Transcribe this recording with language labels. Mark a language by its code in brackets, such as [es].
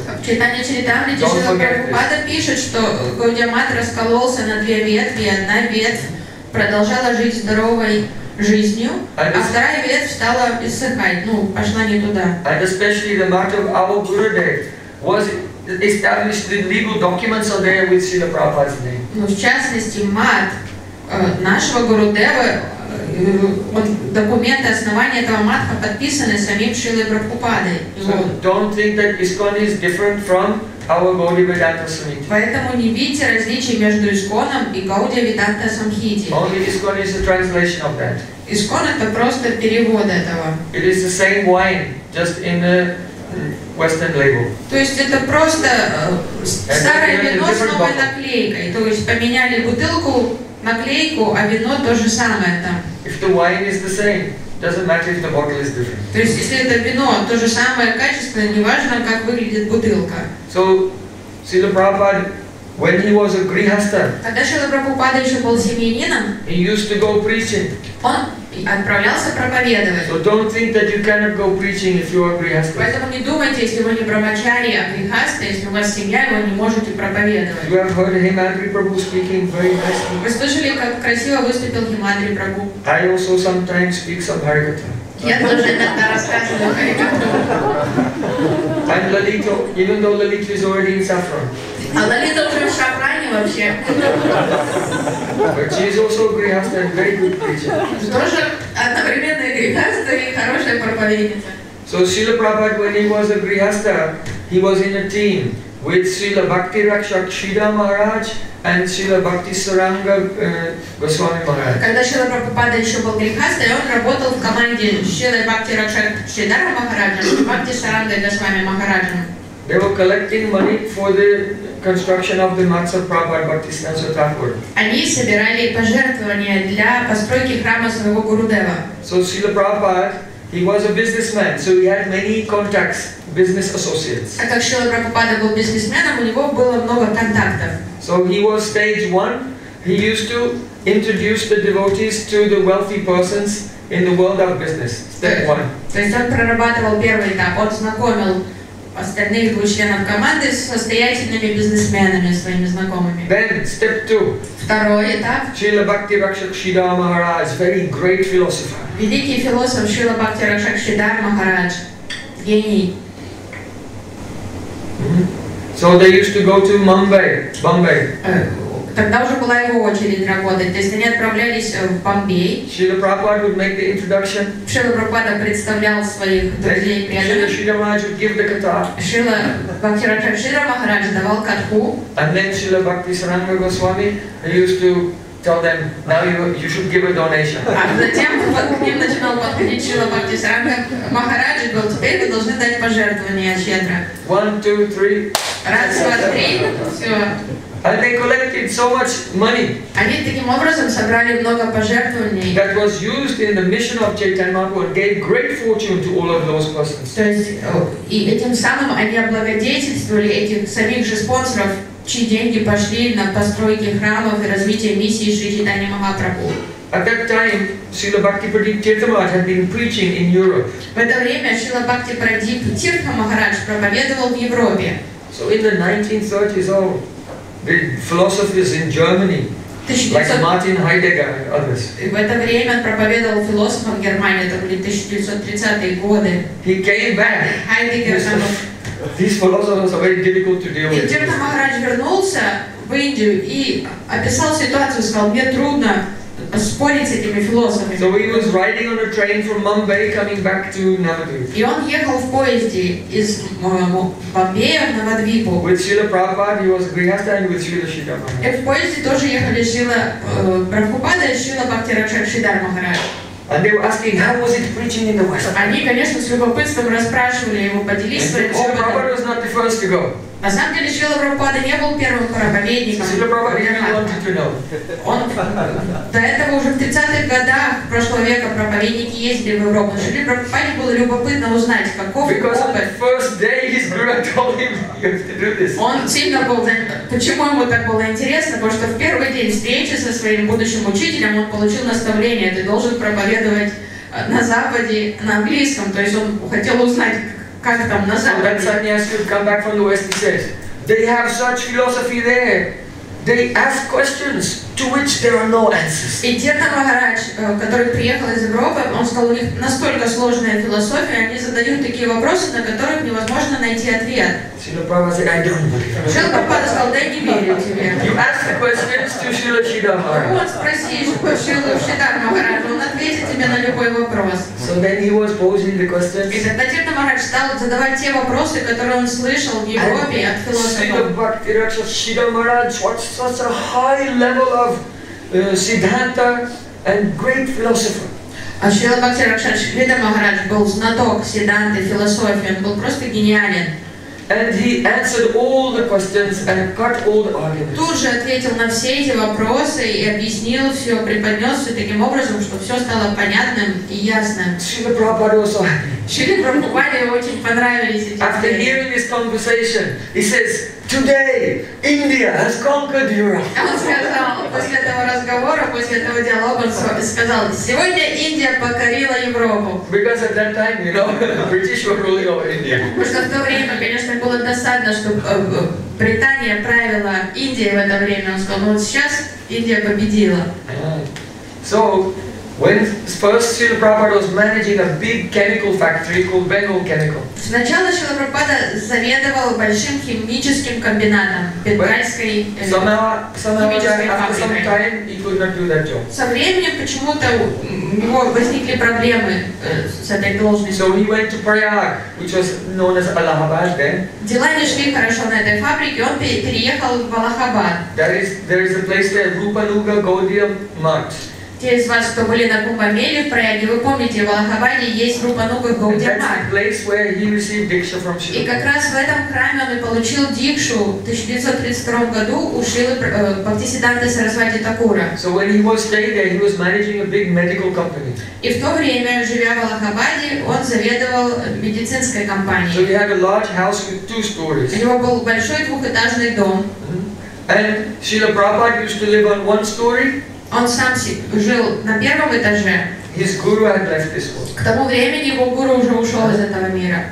[ru] В читании Чайтанья-чаритамриты Шрила Прабхупада пишет, что Gaudiya Math раскололся на две ветви, одна ветвь продолжала жить здоровой жизнью, а вторая ветвь стала иссыхать, ну, пошла не туда. [en] And especially the matter of our Gurudev was established in legal documents on there with Srila Prabhupada's name. [ru] Ну, в частности, мат нашего Гурудева вот документы основания этого матха подписаны самим Шрилой Прабхупадой. [en] So don't think that ISKCON is different from our Gaudiya Vedanta Samhita. [ru] Поэтому не видите различий между ISKCON и Gaudiya Vedanta Samhita. [en] Only ISKCON is a translation of that. [ru] ISKCON это просто перевод этого. [en] It is the same wine, just in the Western label. [ru] То есть это просто старое вино с новой наклейкой. То есть поменяли бутылку, наклейку, а вино то же самое там. [en] If the wine is the same, doesn't matter if the bottle is different. [ru] То есть если это вино то же самое качество, неважно как выглядит бутылка. [en] So, Srila Prabhupada, when he was a grihastha, [ru] когда Шрила Прабхупада еще был семьянином, [en] he used to go preaching. [ru] Он отправлялся проповедовать. [en] So don't think that you cannot go preaching if you are grihastha. [ru] Поэтому не думайте, если вы не брахмачари, а грихастха, если у вас семья, вы не можете проповедовать. [en] You have heard Himadri Prabhu speaking very nicely. [ru] Вы слышали, как красиво выступил Himadri Prabhu? [en] I also sometimes speak some Harikatha. [ru] Я тоже иногда рассказываю Харикатху. [en] And Lalita, even though Lalita is already in saffron. [ru] А Лалита уже в шафране вообще. [en] But she is also a grihastha and very good preacher. [ru] Тоже одновременно и грихастха, и хорошая проповедница. [en] So Srila Prabhupada, when he was a grihastha, he was in a team with Srila Bhakti Rakshak Shida Maharaj and Srila Bhakti Saranga Goswami Maharaj. [ru] Когда Шрила Прабхупада еще был грихастха, он работал в команде Шрила Бхакти Ракшак Шридара Махараджа, Бхакти Саранга Госвами Махараджа. [en] They were collecting money for the construction of the Matsa Prabhupada Bhaktisiddhanta Thakur. [ru] Они собирали пожертвования для постройки храма своего Гурудева. [en] So Srila Prabhupada, he was a businessman, so he had many contacts, business associates. [ru] А как Шрила Прабхупада был бизнесменом, у него было много контактов. [en] So he was stage one. He used to introduce the devotees to the wealthy persons in the world of business. Step one. [ru] То есть он прорабатывал первый этап, он знакомил остальные двух членов команды с состоятельными бизнесменами, своими знакомыми. [en] Then, step two. [ru] Второй этап. [en] Srila Bhakti Rakshak Shridhara Maharaj, very great philosopher. [ru] Великий философ Srila Bhakti Rakshak Shridhara Maharaj. Гений. [en] So they used to go to Bombay. [ru] Тогда уже была его очередь работать. То есть они отправлялись в Бомбей. [en] Srila Prabhupada would make the introduction. [ru] Srila Prabhupada представлял своих друзей преданных. [en] Srila Maharaj would give the katha. [ru] Srila Bhakti Rakshak Shridhara Maharaj давал катху. [en] And then Srila Bhakti Saranga Goswami used to tell them, now you should give a donation. [ru] А затем к ним начинал подходить Srila Bhakti Saranga Maharaj и говорил, теперь вы должны дать пожертвование щедро. [en] One, two, three. [ru] Раз, два, три. Все. [en] And they collected so much money. [ru] Они таким образом собрали много пожертвований. [en] That was used in the mission of Chaitanya Mahaprabhu and gave great fortune to all of those persons. [ru] То есть, и этим самым они облагодетельствовали этих самих же спонсоров, чьи деньги пошли на постройки храмов и развитие миссии Шри Чайтаньи Махапрабху. [en] At that time, Srila Bhakti Pradip Tirtha Maharaj had been preaching in Europe. [ru] В это время Шрила Бхакти Прадип Тиртха Махарадж проповедовал в Европе. [en] So in the 1930s all the philosophers in Germany, like Martin Heidegger and others. [ru] В это время он проповедовал философам Германии, это были 1930-е годы. [en] He came back. Heidegger. These philosophers are very difficult to deal with. [ru] И Тиртха Махарадж вернулся в Индию и описал ситуацию, сказал, мне трудно спорить с этими философами. [en] So he was riding on a train from Mumbai coming back to Navadvip. [ru] И он ехал в поезде из Бомбея в Навадвипу. [en] With Srila Prabhupada, he was grihastha, and with Srila Shridhara Maharaj. [ru] И в поезде тоже ехали Srila Prabhupada и Srila Bhakti Rakshak Shridhara Maharaj. [en] And they were asking, how was it preaching in the West? [ru] Они, конечно, с любопытством расспрашивали его, поделились своим опытом. [en] Oh, Prabhupada was not the first to go. [ru] На самом деле Шрила Прабхупада не был первым проповедником. Шрила Прабхупада, он до этого уже в 30-х годах прошлого века проповедники ездили в Европу. Шрила Прабхупаде было любопытно узнать, каков опыт. Он сильно был почему ему так было интересно? Потому что в первый день встречи со своим будущим учителем он получил наставление, ты должен проповедовать на Западе на английском. То есть он хотел узнать, как там на Западе? [en] Well, then sannyasi would come back from the West, he says, they have such philosophy there. They ask questions to which there are no answers. [ru] И Тирта Махарадж, который приехал из Европы, он сказал, у них настолько сложная философия, они задают такие вопросы, на которых невозможно найти ответ. Шрила Прабхупада сказал, дай не верю тебе. [en] You ask the questions to Шрила Шридхар Махарадж. [ru] Вот спроси Шрила Шридхар Махарадж, он ответит тебе на любой вопрос. [en] So then he was posing the questions. [ru] И тогда Тирта Махарадж стал задавать те вопросы, которые он слышал в Европе от философов. [en] Шрила Махарадж, what's such a high level of Siddhanta and great philosopher? [ru] А Шрила Бхакти Ракша Шридхар Махарадж был знаток Сидданты, философии, он был просто гениален. [en] And he answered all the questions and cut all the arguments. [ru] Тут же ответил на все эти вопросы и объяснил все, преподнес все таким образом, чтобы все стало понятным и ясным. [en] Шрила Прабхупада also. [ru] Шрила Прабхупаде очень понравились эти. [en] After hearing this conversation, he says, "Today, India has conquered Europe." [ru] Он сказал после этого разговора, после этого диалога, он сказал: "Сегодня Индия покорила Европу." [en] Because at that time, you know, the British were ruling over India. [ru] Потому что в то время, конечно, было досадно, что Британия правила Индией в это время. Он сказал: "Вот сейчас Индия победила." [en] So, when first Srila Prabhupada was managing a big chemical factory called Bengal Chemical. [ru] Сначала Шрила Прабхупада заведовал большим химическим комбинатом Бенгальской химической фабрикой. Со временем почему-то у него возникли проблемы с этой должностью. [en] So he went to Prayag, which was known as Allahabad then. [ru] Дела не шли хорошо на этой фабрике, он переехал в Аллахабад. [en] There is a place where Rupa Nuga Gaudiya Mart. [ru] Те из вас, кто были на Кумбамеле в Праяге, вы помните, в Аллахабаде есть Рупануга Гаудия Март. И как раз в этом храме он и получил дикшу в 1932 году у Шрилы Бхактисиддханты Сарасвати Такура. [en] So when he was staying there, he was managing a big medical company. [ru] И в то время, живя в Аллахабаде, он заведовал медицинской компанией. [en] So he had a large house with two stories. [ru] У него был большой двухэтажный дом. [en] And Srila Prabhupada used to live on one story. [ru] Он сам жил на первом этаже. [en] His guru had left this world. [ru] К тому времени его гуру уже ушел из этого мира.